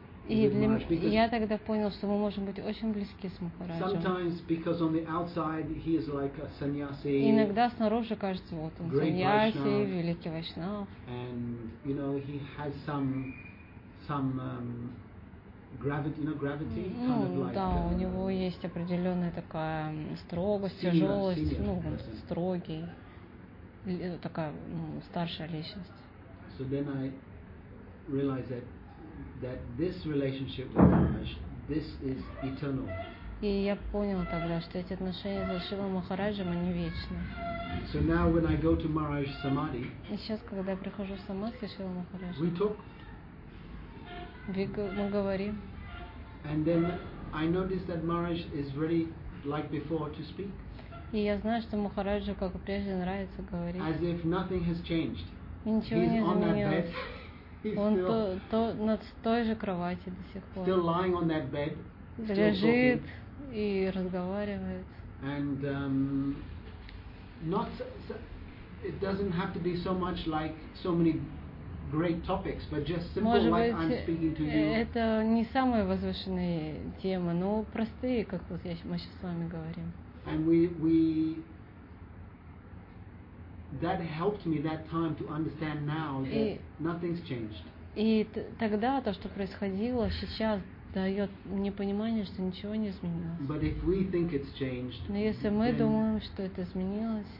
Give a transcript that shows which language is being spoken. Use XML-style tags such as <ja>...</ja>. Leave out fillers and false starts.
<ru>И я тогда понял, что мы можем быть очень близки с Махараджем.</ru> <en>Sometimes because on the outside he is like a sannyasi.</en> <ru>Иногда снаружи кажется, вот он саньяси, великий вайшнав.</ru> <en>And you know he has some gravity, you know, gravity kind of like.</en> <ru>Ну да, у него есть определенная такая строгость, тяжелость, ну строгий, такая старшая личность.</ru> <en>So then I realized that this relationship with Maharaj, this is eternal.</en> <ru>И я понял тогда, что эти отношения с Шивом Махараджем они вечны.</ru> <en>So now when I go to Maharaj Samadhi.</en> <ru>И сейчас, когда я прихожу в самадхи Шива Махараджа.</ru> <en>We talk.</en> <ru>Мы говорим.</ru> <en>And then I notice that Maharaj is ready, like before, to speak.</en> <ru>И я знаю, что Махараджу как прежде нравится говорить.</ru> <en>As if nothing has changed.</en> <ru>Ничего не изменилось. Он то на той же кровати до сих пор.</ru> <en>Still lying on that bed.</en> <ru>Лежит и разговаривает.</ru> <en>And not it doesn't have to be so much like so many great topics, but just simple like I'm speaking to you.</en> <ru>Это не самые возвышенные темы, но простые, как вот мы сейчас с вами говорим.</ru> <en>And we that helped me that time to understand now that nothing's changed.</en> <ru>И тогда то, что происходило сейчас, дает мне понимание, что ничего не изменилось.</ru> <en>But if we think it's changed,</en> <ru>но если мы думаем, что это изменилось,</ru>